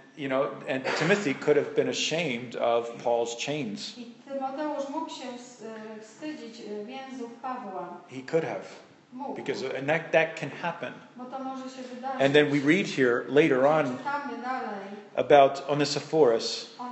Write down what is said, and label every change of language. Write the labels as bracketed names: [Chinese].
[English] You know, and Timothy could have been ashamed of Paul's chains. [Polish] Tymoteusz mógł się wstydzić więzów Pawła. [English] He could have. [Polish] Mógł. [English] Because and that can happen. [Polish] Bo to może się wydarzyć. [English] And then we read here later on about Onesiphorus.